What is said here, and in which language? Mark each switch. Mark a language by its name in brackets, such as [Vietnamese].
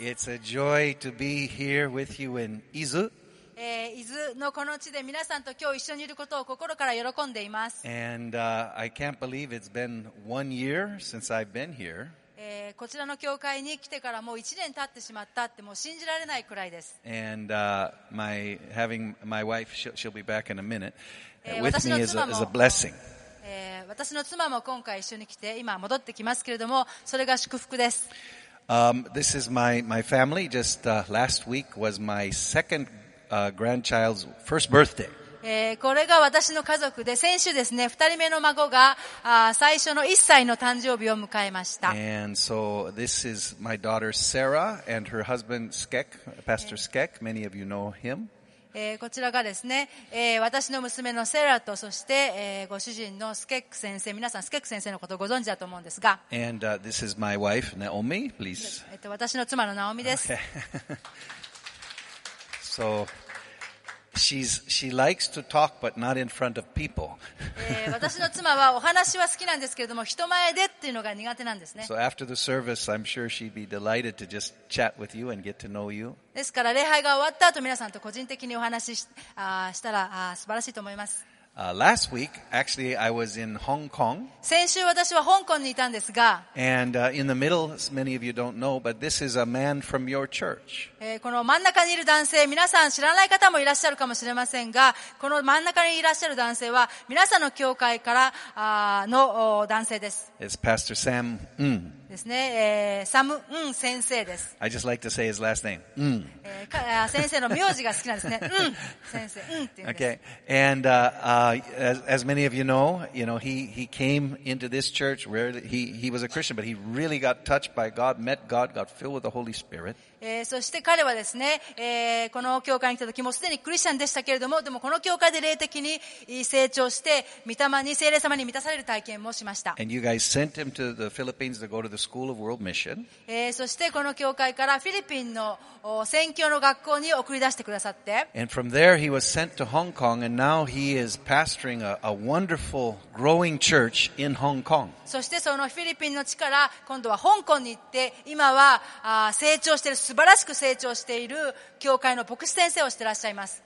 [English] It's a joy to be here with you in 伊豆。 [Japanese] 伊豆のこの地で皆さんと今日一緒にいることを心から喜んでいます。 [English] And, I can't believe it's been one year since I've been here. [Japanese] こちらの教会に来てからもう1年経ってしまったってもう信じられないくらいです。 [English] And, my wife, she'll be back in a minute. With me is a blessing. [Japanese] 私の妻も今回一緒に来て今戻ってきますけれどもそれが祝福です。 [English] This is my family. Just, last week was my second, grandchild's first birthday. [Japanese] これが私の家族で先週ですね二人目の孫が最初の1歳の誕生日を迎えました。 [English] And so this is my daughter Sarah and her husband Skek, Pastor Skek. Many of you know him. [Japanese] こちらがですね、私の娘のセラとそして、ご主人のスケック先生皆さんスケック先生のことをご存知だと思うんですが [English] And, this is my wife, Naomi, please. [Japanese] 私の妻のナオミです、 [English] okay. So, she likes to talk but not in front of people. [Japanese] 私の妻はお話は好きなんですけれども人前でっていうのが苦手なんですね [English] So after the service, I'm sure she'd be delighted to just chat with you and get to know you [Japanese] ですから礼拝が終わった後皆さんと個人的にお話ししたら素晴らしいと思います。 [English] Last week, actually, I was in Hong Kong. [Japanese] 先週私は香港にいたんですが。 [English] And in the middle, many of you don't know, but this is a man from your church. [Japanese] この真ん中にいる男性、皆さん知らない方もいらっしゃるかもしれませんが、この真ん中にいらっしゃる男性は皆さんの教会からの男性です。 [English] It's Pastor Sam Ng. [Japanese] ですね、サム・ウン先生です。 [English] I just like to say his last name. [Japanese] 先生の名字が好きなんですね。ウン先生、ウンって言うんです。 [English] Okay. And, as many of you know, he came into this church where he was a Christian, but he really got touched by God, met God, got filled with the Holy Spirit. [Japanese] そして彼はですね、この教会に来た時もすでにクリスチャンでしたけれども、でもこの教会で霊的に成長して、御霊に聖霊様に満たされる体験もしました。 [English] And you guys sent him to the Philippines to go to the School of World Mission. [Japanese] そしてこの教会からフィリピンの宣教の学校に送り出してくださって。 [English] And from there he was sent to Hong Kong, and now he is pastoring a wonderful growing church in Hong Kong. [Japanese] そしてそのフィリピンの地から今度は香港に行って、今は成長している。素晴らしく成長している教会の牧師先生をしていらっしゃいます。